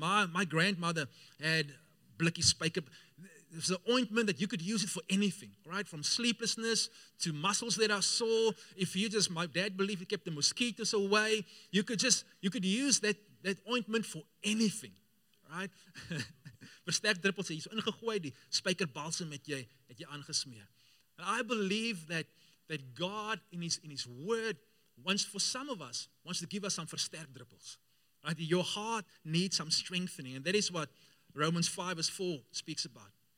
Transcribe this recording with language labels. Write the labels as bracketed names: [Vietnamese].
[English] My grandmother had blikkie spyker. It's an ointment that you could use it for anything, right? From sleeplessness to muscles that are sore. If you just, my dad believed it kept the mosquitoes away. You could use that ointment for anything, right? [Afrikaans] Versterk druppels, jy's ingegooi die spyker balsam het jy aangesmeer. [English] And I believe that God in his word wants, for some of us, wants to give us some versterk druppels. Right? Your heart needs some strengthening. And that is what Romans 5 verse 4 speaks about.